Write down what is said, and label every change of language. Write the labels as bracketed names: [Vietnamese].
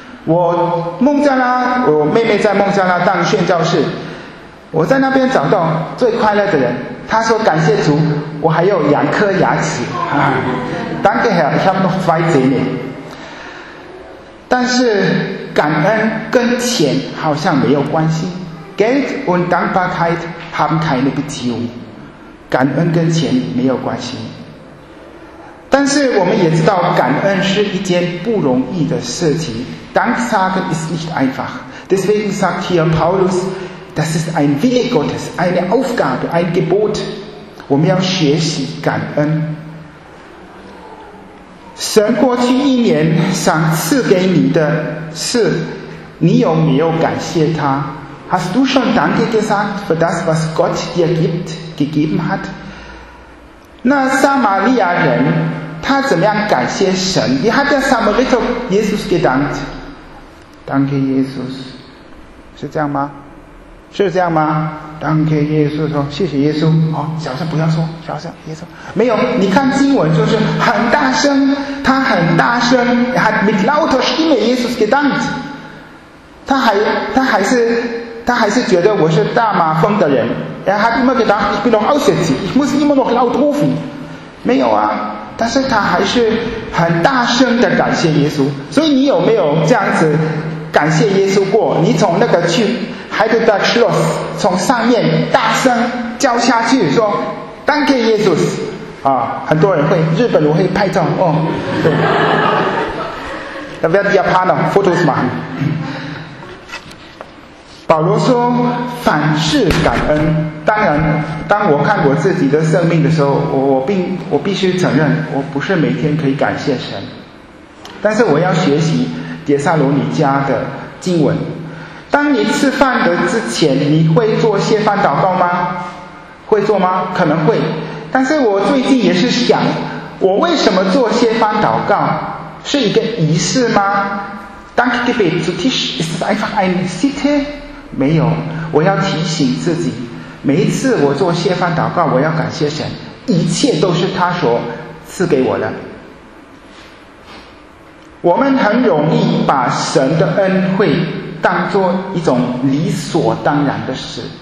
[Chinese] 我孟加拉，我妹妹在孟加拉当宣教士，我在那边找到最快乐的人。他说：“感谢主，我还有2颗牙齿。 [German] 啊” Danke Herr, ich habe noch zwei Zähne。 [Chinese] 但是感恩跟钱好像没有关系。 [German] Geld und Dankbarkeit haben keine Beziehung。 [Chinese] 感恩跟钱没有关系。但是我们也知道，感恩是一件不容易的事情。 [German] Danksagen ist nicht einfach. Deswegen sagt hier Paulus, das ist ein Wille Gottes, eine Aufgabe, ein Gebot. [Chinese] 我们要学习感恩。神过去一年赏赐给你的事，你有没有感谢他？ [German] Hast du schon Danke gesagt für das, was Gott dir gegeben hat? [Chinese] 那撒玛利亚人他怎么样感谢神？ [German] Wie hat der Samariter Jesus gedankt? Danke Jesus， [Chinese] 是这样吗？是这样吗？ [German] Danke Jesus， [Chinese] 说谢谢耶稣。哦，小声不要说，小声耶稣。没有，你看经文就是很大声，他很大声。 [German] Er hat mit lauter Stimme Jesus gedankt。 [Chinese] 他还是觉得我是大马蜂的人。 [German] Er hat immer gedacht, ich bin noch aussätzig, ich muss immer noch laut rufen。 [Chinese] 没有啊。但是他还是很大声的感谢耶稣。所以你有没有这样子感谢耶稣过？你从那个去 Heidelberg Schloss 从上面大声叫下去说 [German] Danke Jesus [Chinese] 啊，很多人会，日本人会拍照哦。 [German] Da werden die Japaner Fotos machen。 [Chinese] 保罗说凡事感恩。当然当我看我自己的生命的时候， 我必须承认我不是每天可以感谢神，但是我要学习帖撒罗尼迦的经文。当你吃饭的之前，你会做谢饭祷告吗？会做吗？可能会。但是我最近也是想，我为什么做谢饭祷告？是一个仪式吗？ [German] Danke Gebet zu Tisch ist es einfach eine Sitte？ [Chinese] 没有，我要提醒自己，每一次我做谢饭祷告，我要感谢神，一切都是他所赐给我的。我们很容易把神的恩惠当作一种理所当然的事。